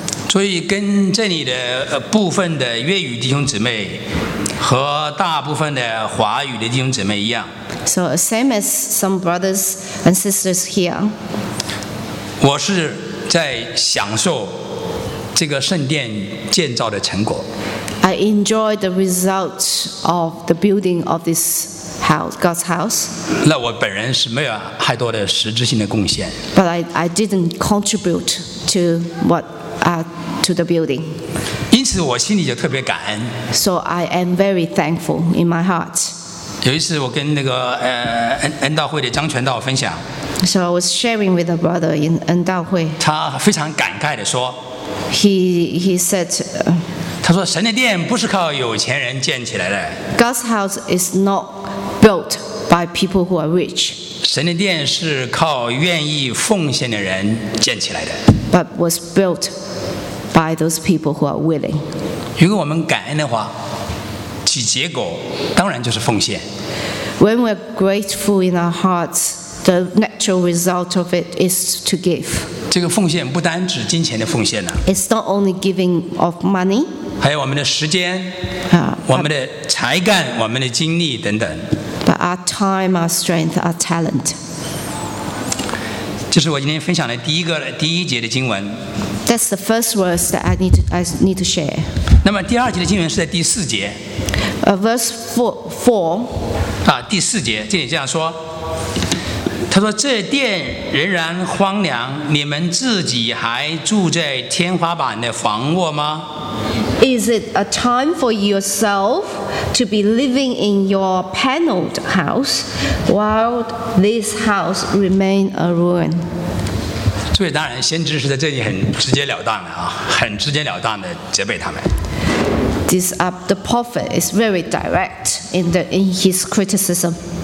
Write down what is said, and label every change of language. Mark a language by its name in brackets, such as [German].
[Chinese] 所以跟这里的部分的粤语弟兄姊妹和大部分的华语的弟兄姊妹一样。 [English] So same as some brothers and sisters here. [Chinese] 我是在享受这个圣殿建造的成果。 [English] I enjoy the result of the building of this house, God's house. [Chinese] 那我本人是没有太多的实质性的贡献。 [English] But I didn't contribute to what. To the building. [Chinese] 因此我心里就特别感恩。 [English] So I am very thankful in my heart. [Chinese] 有一次我跟那个恩道会的张全道分享。 [English] So I was sharing with a brother in 恩道会。 [Chinese] 他非常感慨地说。 [English] He said. [Chinese] 他说神的殿不是靠有钱人建起来的。 [English] God's house is not built by people who are rich. [Chinese] 神的殿是靠愿意奉献的人建起来的。 [English] But was built by those people who are willing. [Chinese] 如果我们感恩的话，其结果当然就是奉献。 [English] When we're grateful in our hearts, the natural result of it is to give. [Chinese] 这个奉献不单指金钱的奉献呢。 [English] It's not only giving of money. [Chinese] 还有我们的时间，我们的才干，我们的精力等等。 [English] But our time, our strength, our talent. [Chinese] 这是我今天分享的第一节的经文。 [English] That's the first verse that I need to share. [Chinese] 那么第二节的经文是在第四节。 [English] Verse 4. [Chinese] 第四节，这里这样说： 他说这殿仍然荒凉，你们自己还住在天花板的房卧吗？ [English] Is it a time for yourself to be living in your paneled house while this house remains a ruin？ [Chinese] 这位当然先知是在这里很直截了当的啊，很直截了当的责备他们。 [English] This up the prophet is very direct in the in his criticism.